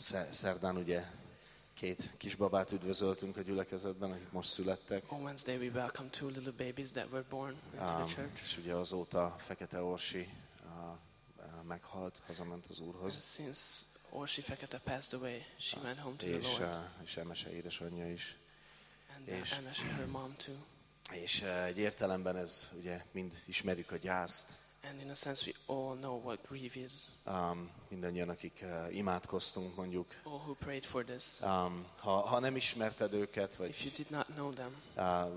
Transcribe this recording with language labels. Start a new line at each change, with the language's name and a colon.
Hungarian: Szerdán ugye két kisbabát üdvözöltünk a gyülekezetben, akik most születtek.
English: On Wednesday we welcomed two little babies that were born into the church.
Hungarian: És ugye azóta Fekete Orsi meghalt, hazament az Úrhoz.
English: And since Orsi Fekete passed away, she went home to the Lord.
Hungarian: És Emese édesanyja is.
English: And Emese, her mom too.
Hungarian: És egy értelemben ez ugye mind ismerjük a gyászt.
English: And in a sense we all know what grief is.
Hungarian: Mindannyian, akik imádkoztunk, mondjuk.
English: All who prayed for this.
Hungarian: Ha nem ismerted őket, vagy
English: if you did not know them.